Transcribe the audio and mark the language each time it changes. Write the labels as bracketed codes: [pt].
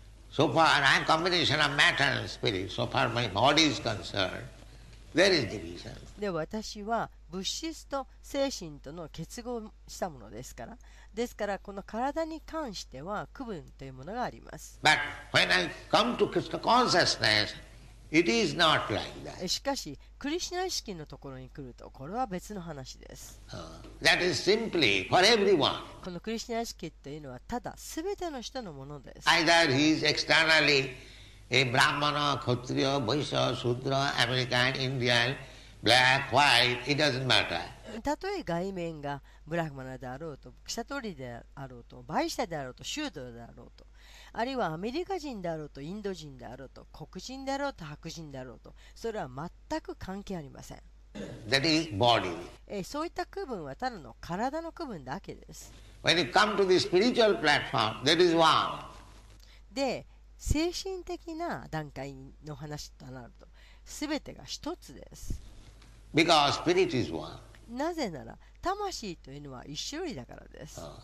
[en] So far I am combination of matter and spirit. So far my body is concerned. There is division. [ja] で私は物質と精神との結合したものですから、ですからこの体に関しては区分というものがあります。 [en] But when I come to Krishna consciousness,It is not like that. [ja] しかし、クリシュナ意識のところに来ると、これは別の話です。 [en] That is simply for everyone. [ja] このクリシュナ意識というのは、ただ全ての人のものです。 [en] Either he is externally a Brahmana, Kshatriya, Vaishya, Shudra, American, Indian, black, white, it doesn't matter. [ja] たとえ外面がブラフマナであろうと、クシャトリであろうと、バイシャであろうと、シュードラであろうと、あるいはアメリカ人であろうとインド人であろうと黒人であろうと白人であろうとそれは全く関係ありません。 [en] That is body. [ja] そういった区分はただの体の区分だけです。 [en] When you come to the spiritual platform, that is one. [ja] で、精神的な段階の話となると、すべてが一つです。 [en] Because spirit is one. [ja] なぜなら、魂というのは一種類だからです。